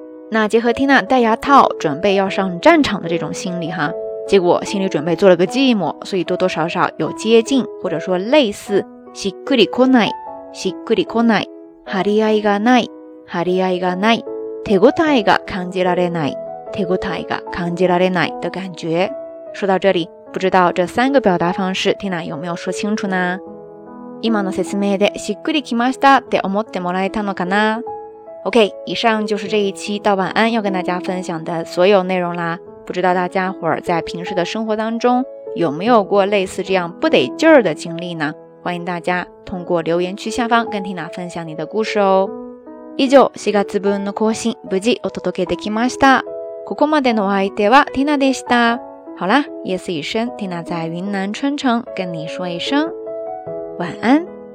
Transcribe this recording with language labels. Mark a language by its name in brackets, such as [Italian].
[Chinese] 那结合 Tina 戴牙套准备要上战场的这种心理哈，结果心理准备做了个寂寞，所以多多少少有接近或者说类似 [Japanese] しっくりこない、しっくりこない、張り合いがない、張り合いがない、手応えが感じられない、手応えが感じられない [Chinese] 的感觉。说到这里，不知道这三个表达方式 Tina 有没有说清楚呢？ [Japanese] 今の説明でしっくりきましたって思ってもらえたのかな？ [Chinese] OK， 以上就是这一期道晚安要跟大家分享的所有内容啦。不知道大家伙儿在平时的生活当中有没有过类似这样不得劲儿的经历呢？欢迎大家通过留言区下方跟 Tina 分享你的故事哦。 [Japanese] 以上4月分の更新無事お届けできました。ここまでのお相手は Tina でした。 [Chinese] 好啦，夜色已深， Tina 在云南春城跟你说一声晚安。